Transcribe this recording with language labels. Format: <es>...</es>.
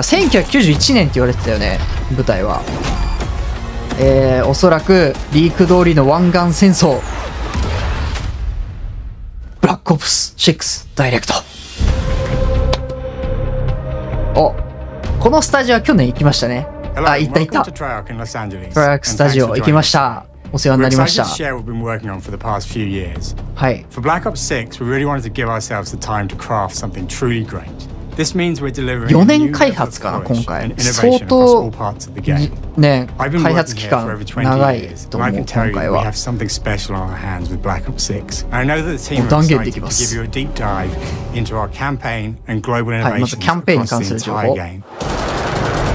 <ja>1991年って言われてたよね、舞台は。おそらくリーク通りの湾岸戦争、ブラックオプス6ダイレクト。お、このスタジオは去年行きましたね。あ、行った行った。トラックスタジオ行きました。お世話になりました。はい。</ja> <en>For Black Ops 6, we really wanted to give ourselves the time to craft something truly great. This means we're delivering</en> <ja>4年開発かな、今回。相当、ね、開発期間長いと思う、今回は。断言できます。はい、まずキャンペーンに関する情報。</ja>